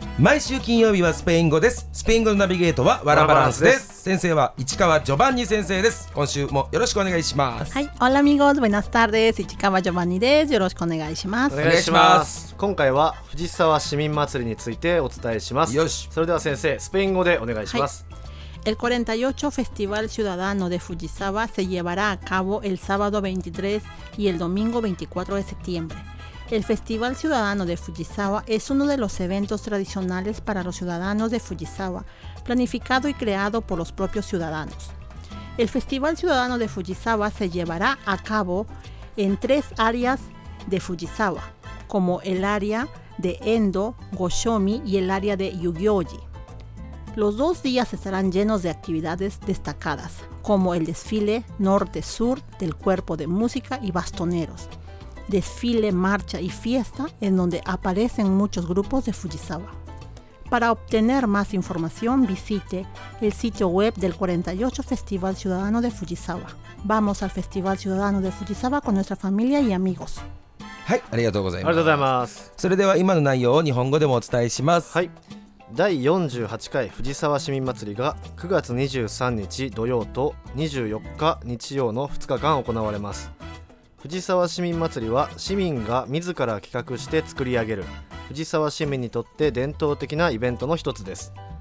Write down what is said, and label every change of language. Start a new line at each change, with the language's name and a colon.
Japanese: 毎週金曜日はスペイン語です。スペイン語のナビゲートはワラバランスです。先生は市川ジョバンニ先生です。今週もよろしくお願いします。はい、
Spanish: オラミゴーズ、ブナスタール
Japanese: です。市川ジョバンニです。よろしくお願いします。お願いします。今回は藤沢市民祭りについてお伝えします。よし、それでは先生、スペイン語でお願いします。はい、
Spanish: El 48 Festival Ciudadano de Fujisawa se llevará a cabo el sábado 23 y el domingo 24 de septiembre. El Festival Ciudadano de Fujisawa es uno de los eventos tradicionales para los ciudadanos de Fujisawa, planificado y creado por los propios ciudadanos. El Festival Ciudadano de Fujisawa se llevará a cabo en tres áreas de Fujisawa, como el área de Endo, Goshomi y el área de Yugioji. Los dos días estarán llenos de actividades destacadas, como el desfile norte-sur del cuerpo de música y bastoneros, desfile, marcha y fiesta, en donde aparecen muchos grupos de Fujisawa. Para obtener más información, visite el sitio web del 48 Festival Ciudadano de Fujisawa. Vamos al Festival Ciudadano de Fujisawa con nuestra familia y amigos.
Japanese: はい、ありがとうございます。ありがとうございます。それでは今の内容を日本語でもお伝えします。はい。第48回藤沢市民祭りが9月23日土曜と24日日曜の2日間行われます。藤沢市民祭りは市民が自ら企画して作り上げる藤沢市民にとって伝統的なイベントの一つです。